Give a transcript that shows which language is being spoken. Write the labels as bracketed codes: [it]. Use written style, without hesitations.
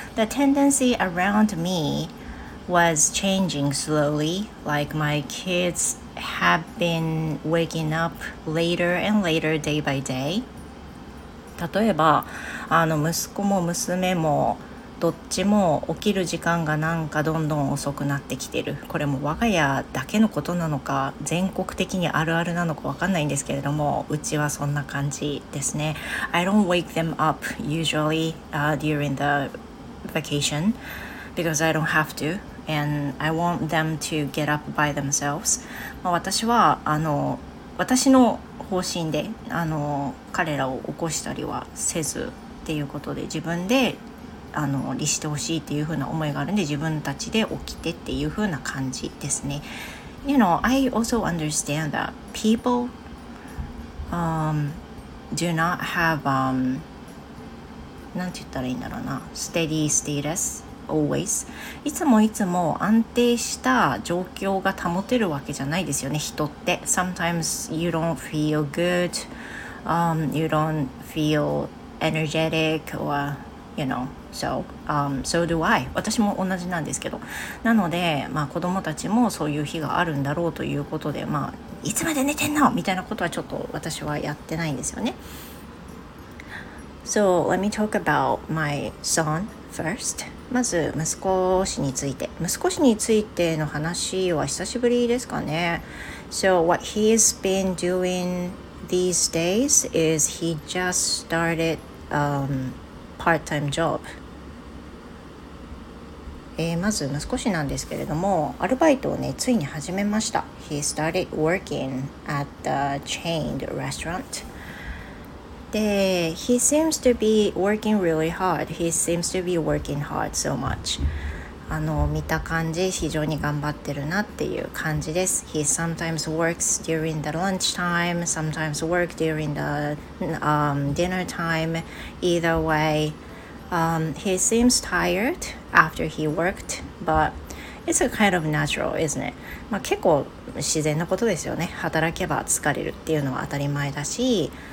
[en] The tendency around me was changing slowly, like my kids have been waking up later and later day by day. [ja] 例えば息子も娘もどっちも起きる時間がなんかどんどん遅くなってきてる。これも我が家だけのことなのか、全国的にあるあるなのかわかんないんですけれども、うちはそんな感じですね。 [en] I don't wake them up usually during the vacation because I don't have to and I want them to get up by themselves. [ja] 私は私の方針で彼らを起こしたりはせずっていうことで、自分で利してほしいっていう風な思いがあるんで、自分たちで起きてっていう風な感じですね。 [en] You know, I also understand that people do not have [ja] なんて言ったらいいんだろうな、 [en] steady status always。 [ja] いつもいつも安定した状況が保てるわけじゃないですよね、人って。 [en] Sometimes you don't feel good you don't feel energetic or you knowSo do I. [ja] 私も同じなんですけど、なので、子供たちもそういう日があるんだろうということで、いつまで寝てんのみたいなことはちょっと私はやってないんですよね。 [en] So let me talk about my son first. [ja] まず息子氏について、息子氏についての話は久しぶりですかね。 [en] So what he's been doing these days is he just started part-time job. [ja] まず息子氏なんですけれども、アルバイトをね、ついに始めました。 [en] He started working at the chained restaurant. で、He seems to be working really hard. He seems to be working hard so much. [ja] 見た感じ、非常に頑張ってるなっていう感じです。 [en] He sometimes works during the lunch time, sometimes work during the dinner time. Either way, he seems tired. After he worked, but it's a kind of natural, isn't it? [ja] 結構自然なことですよね。働けば疲れるっていうのは当たり前だし、